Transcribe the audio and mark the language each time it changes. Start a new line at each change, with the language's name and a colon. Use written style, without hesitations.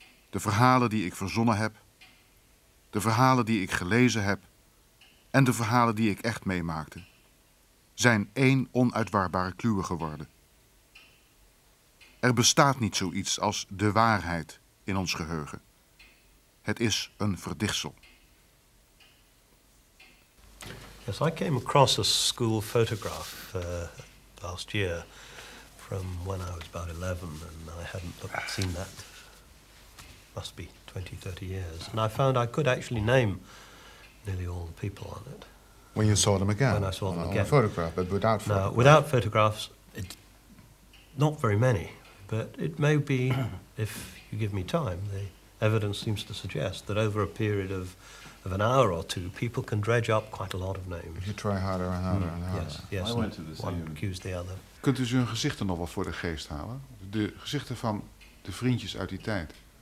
Dutch: De verhalen die ik verzonnen heb, de verhalen die ik gelezen heb en de verhalen die ik echt meemaakte, zijn één onuitwarbare kluwe geworden. Er bestaat niet zoiets als de waarheid in ons geheugen. Het is een verdichtsel.
English: Yes, I came across a school photograph last year from when I was about 11, and I hadn't seen that. Must be 20, 30 years. And I found I could actually name nearly all the people on it. When you saw them again? When I saw them again. On a photograph, but without photographs. Now, without photographs, not very many. But it may be, if you give me time, the evidence seems to suggest that over a period of an hour or two, people can dredge up quite a lot of names. If you try harder and harder and harder. Yes, yes. I went to the one accuse the other.
Dutch: Kunt u hun gezichten nog wel voor de geest halen? De gezichten van de vriendjes uit die tijd.